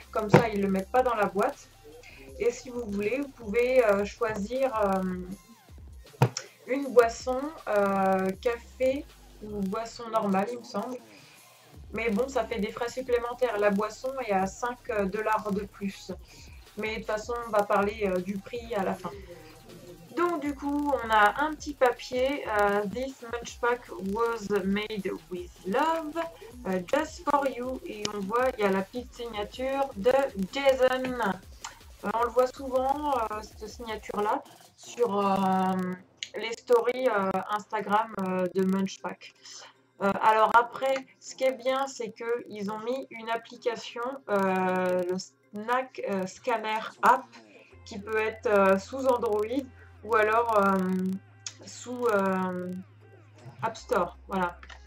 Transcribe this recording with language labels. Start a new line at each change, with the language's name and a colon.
French: Comme ça, ils ne le mettent pas dans la boîte. Et si vous voulez, vous pouvez choisir une boisson café ou boisson normale, il me semble. Mais bon, ça fait des frais supplémentaires. La boisson est à 5 dollars de plus. Mais de toute façon, on va parler du prix à la fin. Donc, du coup, on a un petit papier.
English: This Munch Pack was made with love, just for you.
French: Et on voit, il y a la petite signature de Jason. On le voit souvent, cette signature-là, sur les stories Instagram de Munch Pack. Alors après, ce qui est bien, c'est qu'ils ont mis une application, le Snack Scanner App, qui peut être sous Android ou alors sous App Store. Voilà.